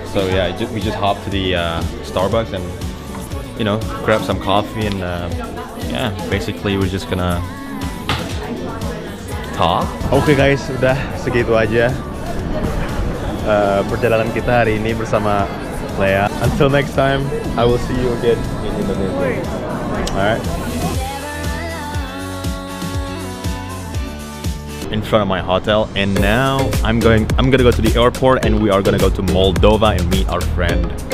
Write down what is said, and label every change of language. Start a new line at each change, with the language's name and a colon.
English: So yeah, we just hop to the Starbucks and you know grab some coffee and yeah, basically we're just gonna talk.
Indonesian: Okay guys, sudah segitu aja perjalanan kita hari ini bersama Lea.
English: Until next time, I will see you again in Indonesia. All right. In front of my hotel, and now I'm gonna go to the airport, and we are gonna go to Moldova and meet our friend.